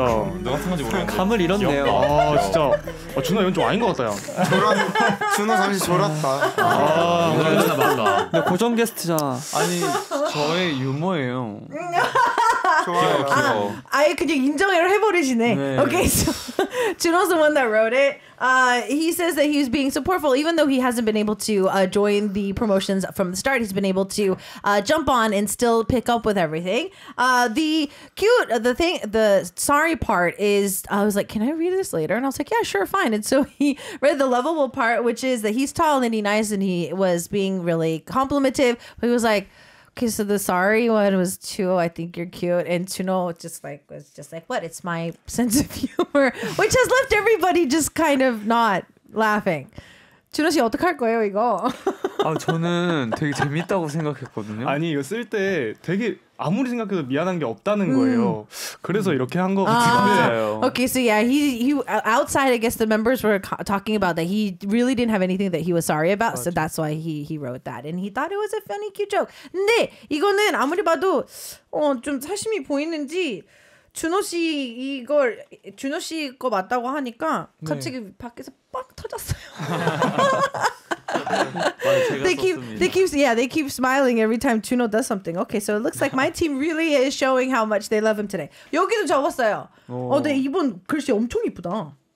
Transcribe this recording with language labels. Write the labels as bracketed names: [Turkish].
[Korean] 너가 탄 건지 모르겠네. 감을 잃었네요. 아 진짜 준호 이건 좀 아닌 것 같아요. 준호 잠시 졸았다. 아 진짜 맞다. 근데 고정 게스트잖아. 아니 저의 유머예요. 좋아요. 귀여워. 아예 그냥 인정을 해버리시네. 네. [English] Okay, so Juno's the one that wrote it. He says that he's being supportful even though he hasn't been able to join the promotions from the start. He's been able to jump on and still pick up with everything. The sorry part is I was like, can I read this later? And I was like, yeah, sure, fine. And so he read the lovable part, which is that he's tall and he's nice and he was being really complimentive. But he was like, okay, so the sorry one was Chuno, I think you're cute. And Chuno was just like, what? It's my sense of humor. Which has left everybody just kind of not laughing. [Korean] Chuno 씨 어떡할 거예요, 이거? 아, 저는 되게 재밌다고 생각했거든요. 아니, 이거 쓸 때 되게 아무리 생각해도 미안한 게 없다는 거예요. 그래서 이렇게 한 거 같아요. [English] Okay, so yeah, he outside, I guess the members were talking about that he really didn't have anything that he was sorry about. [Korean] 맞아. [English] So that's why he wrote that. And he thought it was a funny cute joke. [Korean] 근데 이거는 아무리 봐도 좀 사심이 보이는지 준호 씨 이걸 준호 씨 거 맞다고 하니까 갑자기 네. 밖에서 빡 터졌어요. [English] they keep smiling every time Chuno does something. Okay, so it looks like my team really is showing how much they love him today. [Korean] 여기도 적었어요. 근데 이번 글씨 엄청 이쁘다.